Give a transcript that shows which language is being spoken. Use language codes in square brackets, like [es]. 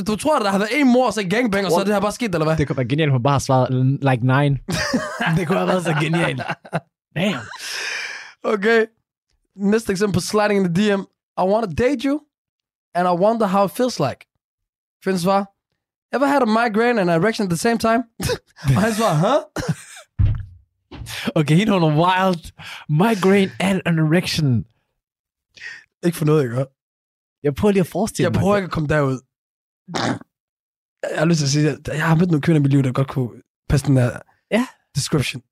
[da] Du tror, at der har været en mor og så gangbang, og så er det her bare skidt, eller hvad? Det kunne være genialt, at hun bare svarer, like 9. Det kunne have været så genialt. Damn. [en] Okay. Næste eksempel, sliding in the DM. I want to date you, and I wonder how it feels like. Kvinde svarer, ever had a migraine and an erection at the same time? [da] Og han svarer, huh? [en] Okay, he don't know, wild migraine and an erection. [da] Ikke for noget, ikke? Jeg prøver lige at forestille mig. Jeg prøver ikke at komme derud. Jeg har lyst til at sige, at jeg har mødt nogle kvinder i mit liv, der godt kunne passe den der description.